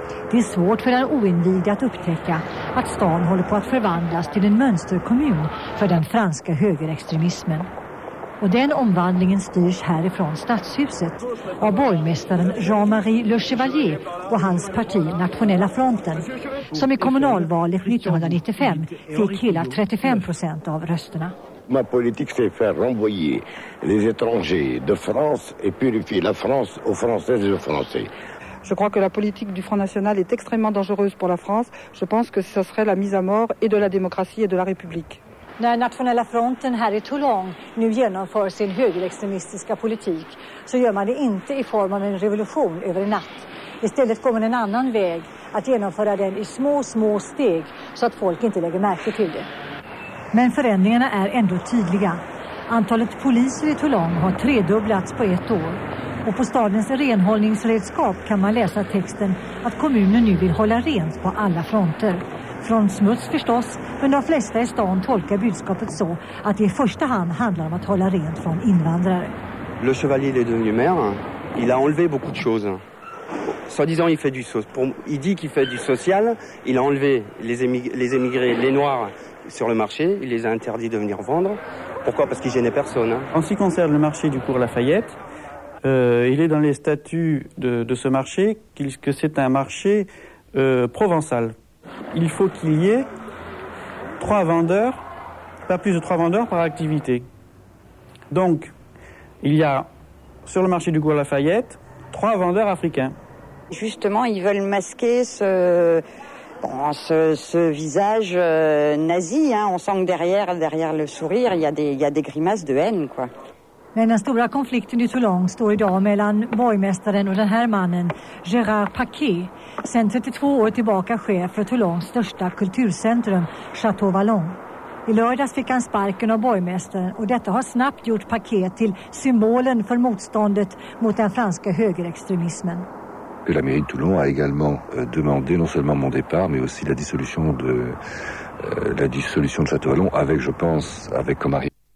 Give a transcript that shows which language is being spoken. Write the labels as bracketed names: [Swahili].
[Swedish] Det är svårt för den oinvigde att upptäcka att stan håller på att förvandlas till en mönsterkommun för den franska högerextremismen. Och den omvandlingen styrs härifrån stadshuset av borgmästaren Jean-Marie Le Chevalier och hans parti Nationella fronten, som i kommunalvalet 1995 fick hela 35% av rösterna. [French] Ma politique c'est faire renvoyer les étrangers de France et purifier la France aux Français et aux Français. Je crois que la politique du Front national est extrêmement dangereuse pour la France. Je pense que ce serait la mise à mort et de la démocratie et de la République. [Swedish] När Nationella fronten här i Toulon nu genomför sin högerextremistiska politik så gör man det inte i form av en revolution över en natt. Istället kommer en annan väg att genomföra den i små, små steg så att folk inte lägger märke till det. Men förändringarna är ändå tydliga. Antalet poliser i Toulon har tredubblats på ett år. Och på stadens renhållningsredskap kan man läsa texten att kommunen nu vill hålla rent på alla fronter. Från smuts förstås, men de flesta i stan tolkar budskapet så att det i första hand handlar om att hålla rent från invandrare. [French] Le chevalier est devenu maire. Il a enlevé beaucoup de choses. Soi-disant il fait du il dit qu'il fait du social, il a enlevé les émigrés, les noirs sur le marché, il les a interdit de venir vendre. Pourquoi? Parce qu'il gênait personne. En ce qui concerne le marché du cours Lafayette, il est dans les statuts de ce marché que c'est un marché provençal. Il faut qu'il y ait trois vendeurs, pas plus de trois vendeurs par activité. Donc, il y a sur le marché du cours Lafayette trois vendeurs africains. Justement, ils veulent masquer ce visage nazi. Hein. On sent que derrière le sourire, il y a des grimaces de haine, quoi. [Swedish] Men den stora konflikten i Toulon står idag mellan borgmästaren och den här mannen, Gérard Paquet, sedan 32 år tillbaka chef för Toulons största kulturcentrum, Château Vallon. I lördags fick han sparken av borgmästaren och detta har snabbt gjort Paquet till symbolen för motståndet mot den franska högerextremismen. [French] La mairie de Toulon a également demandé non seulement mon départ, mais aussi la dissolution de Château Vallon avec, je pense, avec comme arrière.